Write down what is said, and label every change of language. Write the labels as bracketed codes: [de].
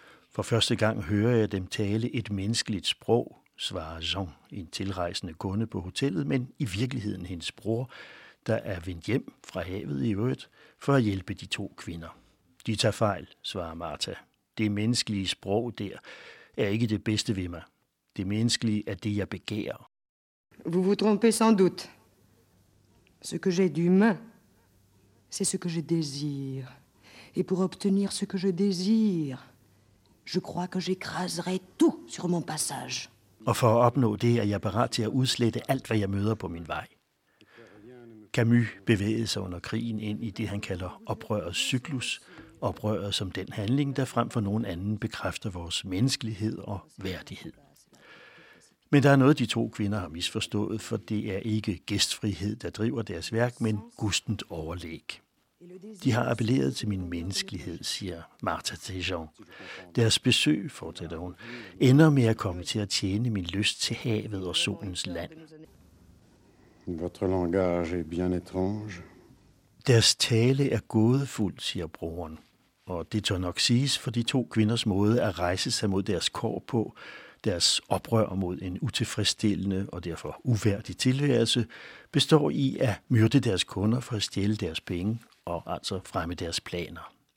[da] For første gang hører jeg dem tale et menneskeligt sprog, svarer Jean, en tilrejsende kunde på hotellet, men i virkeligheden hendes bror, der er vendt hjem fra havet i øvrigt, for at hjælpe de to kvinder. De tager fejl, svarer Martha. Det menneskelige sprog der er ikke det bedste ved mig. Det menneskelige er det, jeg begærer. [fr] Vous vous trompez sans doute. Ce que j'ai d'humain, c'est ce que je désire. Et pour obtenir ce que je désire, je crois que j'écraserai tout sur mon passage. [da] Og for at opnå det, er jeg parat til at udslette alt, hvad jeg møder på min vej. Camus bevægede sig under krigen ind i det, han kalder oprørets cyklus. Oprøret som den handling, der frem for nogen anden bekræfter vores menneskelighed og værdighed. Men der er noget, de to kvinder har misforstået, for det er ikke gæstfrihed, der driver deres værk, men gustent overlæg. De har appelleret til min menneskelighed, siger Martha til Jean. Deres besøg, fortsætter hun, ender med at komme til at tjene min lyst til havet og solens land. [fr] Votre langage est bien étrange. [da] Deres tale er gådefuld, siger broren. Og det tør nok siges, for de to kvinders måde at rejse sig mod deres kår på, deres oprør mod en utilfredsstillende og derfor uværdig tilværelse, består i at myrde deres kunder for at stjæle deres penge og altså fremme deres planer.